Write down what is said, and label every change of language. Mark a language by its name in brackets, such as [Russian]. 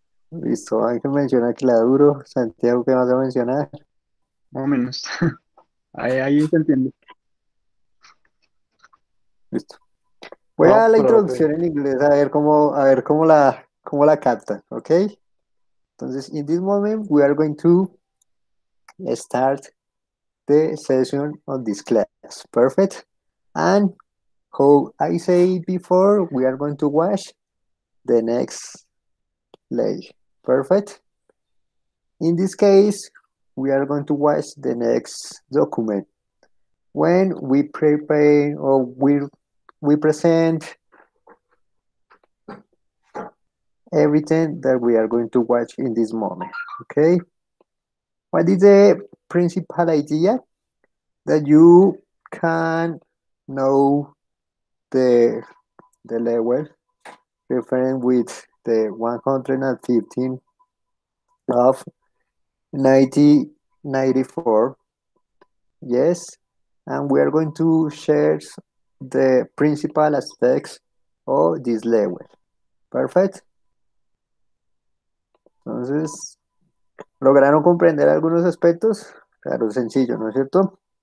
[Spanish] Listo, hay que mencionar que la duro, Santiago, ¿qué vas a mencionar? Más o menos. Ahí se entiende. Listo. Voy a No, la profe. introducción en inglés a ver cómo la captan, ¿ok? Entonces, [English] in this moment, we are going to start the session on this class. Perfect. And how I say before, we are going to watch the next play. Perfect. In this case, we are going to watch the next document. When we prepare or we present everything that we are going to watch in this moment. Okay. What is the principal idea? That you can know the level referring with the 115 of 1994. Yes. And we are going to share the principal aspects of this level. Perfect. [Spanish] Entonces, ¿lograron comprender algunos aspectos? Claro, sencillo, ¿no es cierto?